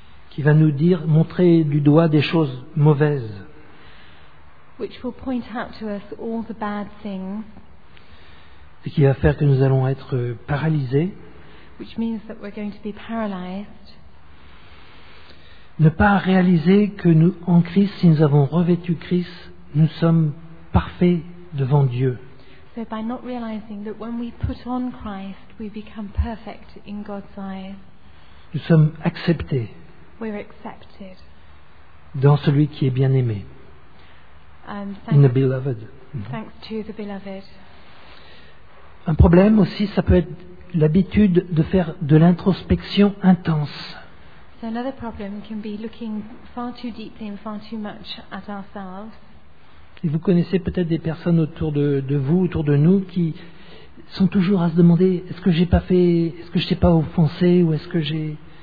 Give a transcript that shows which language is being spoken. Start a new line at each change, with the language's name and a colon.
French: Qui va nous dire, montrer du doigt des choses mauvaises.
English: Which will point out to us all the bad things.
French: Et qui va faire que nous allons être paralysés.
English: Which means that we're going to be paralyzed.
French: Ne pas réaliser que nous, en Christ, si nous avons revêtu Christ, nous sommes parfaits devant Dieu.
English: So by not realizing that when we put on Christ, we become perfect in God's eyes.
French: Nous sommes acceptés.
English: We're accepted.
French: Dans celui qui est bien aimé.
English: In the beloved. Thanks to the beloved.
French: Un problème aussi, ça peut être l'habitude de faire de l'introspection intense.
English: So another problem can be looking far too deeply and far too much at ourselves.
French: Et vous connaissez peut-être des personnes autour de vous, autour de nous, qui sont toujours à se demander est-ce que j'ai pas fait, est-ce que je t'ai pas offensé ou est-ce que j'ai